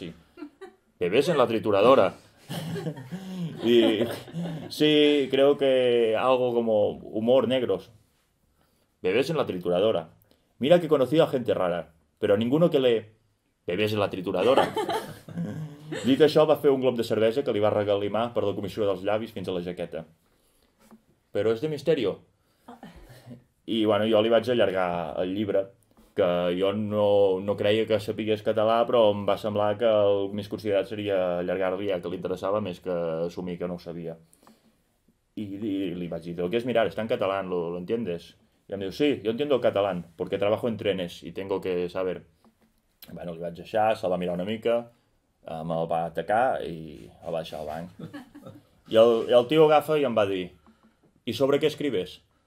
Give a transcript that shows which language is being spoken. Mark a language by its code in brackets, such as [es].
[es] Y, ¿bebés en la trituradora? Y sí, creo que algo como humor negros. ¿Bebés en la trituradora? Mira que he conocido a gente rara, pero ninguno que lee ¿bebés en la trituradora? [ca] Dit això, va fer un glob de cervesa que li va regalimar per la comissió dels llavis fins a la jaqueta. Però és de misterio. I bueno, jo li vaig allargar el llibre, que jo no creia que sapigués català, però em va semblar que el més considerat seria allargar-li, ja que li interessava més que assumir que no ho sabia. I li vaig dir, [es] ¿te lo quieres mirar? Está en catalán, ¿lo entiendes? [ca] I em diu, sí, [es] yo entiendo el catalán, porque trabajo en trenes y tengo que saber. [ca] Bueno, li vaig deixar, se'l va mirar una mica, me'l va atacar i el va deixar al banc. I el tio agafa i em va dir... [es] ¿Y sobre qué escribes?